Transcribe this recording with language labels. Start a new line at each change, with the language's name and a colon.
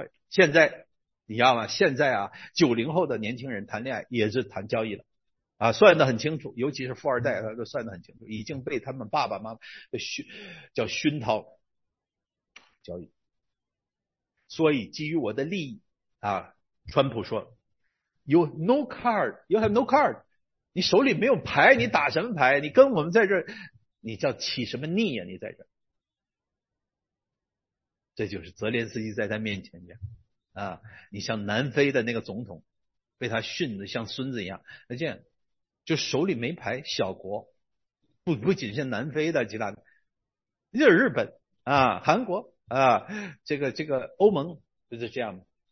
Chinese: 现在你知道吗？现在啊，90后的年轻人谈恋爱也是谈交易了啊，算得很清楚，尤其是富二代，他都算得很清楚，已经被他们爸爸妈妈叫熏陶交易。所以基于我的利益啊，川普说。
English: You no card, you have no card.
Chinese: 你手里没有牌，你打什么牌？你跟我们在这儿，你叫起什么孽呀？你在这儿，这就是泽连斯基在他面前讲啊，你像南非的那个总统，被他训得像孙子一样。那这样，就手里没牌，小国，不仅是南非的其他的，就是日本啊、韩国啊，这个欧盟就是这样的。